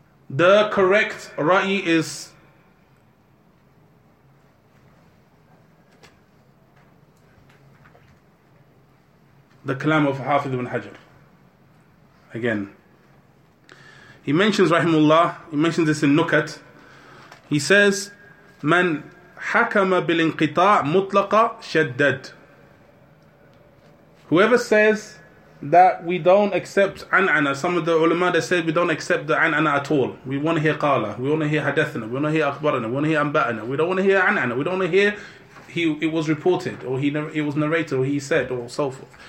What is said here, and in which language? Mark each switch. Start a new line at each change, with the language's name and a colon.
English: The correct ra'i is the kalam of Hafidh ibn Hajar. Again, he mentions, rahimahullah, he mentions this in Nukat. He says,
Arabic: man حكم بالانقطاع مطلقا شدد.
English: Whoever says that we don't accept an'ana, some of the ulama they say we don't accept the an'ana at all. We want to hear qala, we want to hear hadathana, we want to hear akhbarana, we want to hear anba'ana, we don't want to hear an'ana, we don't want to hear it was reported or it was narrated or he said or so forth.